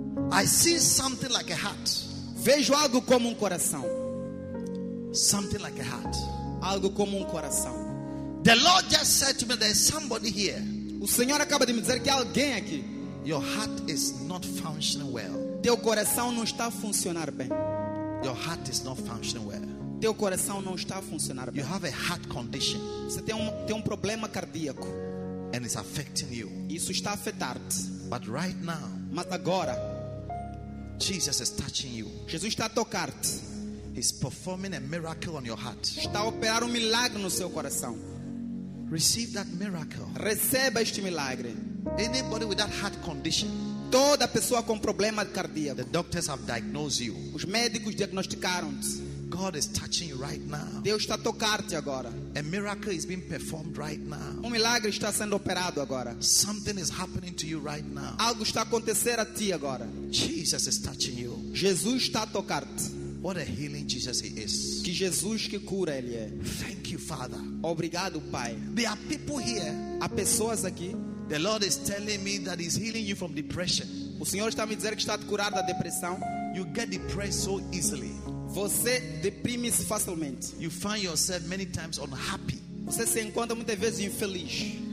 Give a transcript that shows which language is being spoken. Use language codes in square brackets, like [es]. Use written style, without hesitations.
[en] I see something like a heart. [pt] Vejo algo como coração. [en] Something like a heart. [pt] Algo como coração. [en] The Lord just said to me, there's somebody here. [pt] O Senhor acaba de me dizer que há alguém aqui. [en] Your heart is not functioning well. [pt] Teu coração não está a funcionar bem. [en] Your heart is not functioning well. [pt] Teu coração não está a funcionar bem. [en] You have a heart condition. [pt] Você tem um problema cardíaco. [en] And it's affecting you. [pt] Isso está a afetar-te. [en] But right now. [pt] Mas agora. [en] Jesus is touching you. [pt] Jesus está a tocar-te. [en] He's performing a miracle on your heart. [pt] Está a operar um milagre no seu coração. [en] Receive that miracle. [pt] Receba este milagre. [en] Anybody with that heart condition. [pt] Toda pessoa com problema cardíaco. [en] The doctors have diagnosed you. [pt] Os médicos diagnosticaram-te. [en] God is touching you right now. [pt] Deus está a tocar-te agora. [en] A miracle is being performed right now. [pt] Um milagre está sendo operado agora. [en] Something is happening to you right now. [pt] Algo está a acontecer a ti agora. [en] Jesus is touching you. [pt] Jesus está a tocar-te. [en] What a healing Jesus he is. [pt] Que Jesus que cura ele é. [en] Thank you, Father. [pt] Obrigado, Pai. [en] There are people here. [pt] Há pessoas aqui. [en] The Lord is telling me that he's healing you from depression. [pt] O Senhor está a me dizer que está a te curar da depressão. [en] You get depressed so easily. [pt] Você deprime-se facilmente. [en] You find yourself many times unhappy. [pt] Você se encontra muitas vezes infeliz.